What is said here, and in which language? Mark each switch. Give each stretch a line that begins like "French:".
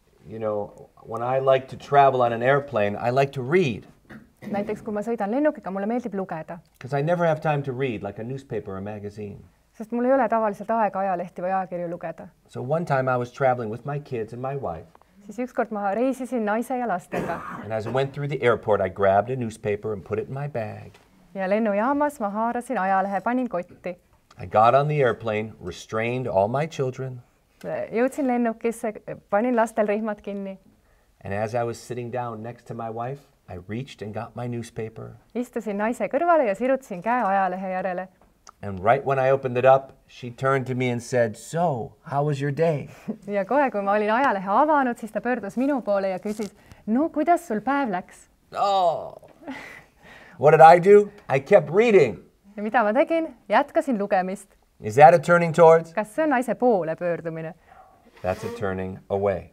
English: You know, when I like to travel on an airplane, I like to read.
Estonian: Näiteks, kui ma sõidan lennukiga, mulle meeldib lugeda.
English: Because I never have time to read, like a newspaper or a magazine.
Estonian: Sest mul ei ole tavaliselt aega ajalehti või ajakirju lugeda.
English: So one time I was traveling with my kids and my wife.
Estonian: Siis ükskord ma reisisin naise ja lastega.
English: And as I went through the airport, I grabbed a newspaper and put it in my bag.
Estonian: Ja lennujaamas ma haarasin ajalehe, panin kotti.
English: I got on the airplane, restrained all my children.
Estonian: Jõudsin lennukisse, panin lastel rihmat kinni.
English: And as I was sitting down next to my wife, I reached and got my newspaper.
Estonian: Istusin naise kõrvale ja sirutsin käe ajalehe järele.
English: And right when I opened it up, she turned to me and said, "So, how was your day?"
Estonian: Ja kohe, kui ma olin ajalehe avanud, siis ta pöördus minu poole ja küsis, "No, kuidas sul päev läks?"
English: Oh! What did I do? I kept reading.
Estonian: Ja mida ma tegin? Jätkasin lugemist.
English: Is that a turning towards?
Estonian: Kas see on naise poole pöördumine?
English: That's a turning away.